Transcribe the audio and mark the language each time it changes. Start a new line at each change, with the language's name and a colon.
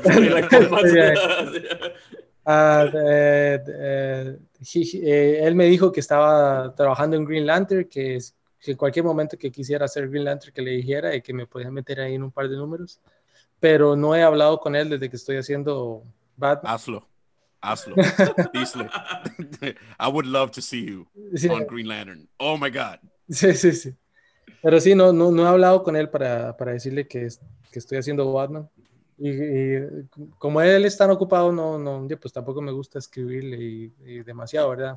Spanish: Él me dijo que estaba trabajando en Green Lantern, que en cualquier momento que quisiera hacer Green Lantern que le dijera y que me podía meter ahí en un par de números, pero no he hablado con él desde que estoy haciendo Batman. Hazlo. Díselo.
English: I would love to see you on Green Lantern. Oh my God.
Spanish: Sí. Pero sí, no he hablado con él para decirle que estoy haciendo Batman. Y como él está tan ocupado, no, pues tampoco me gusta escribirle y demasiado, ¿verdad?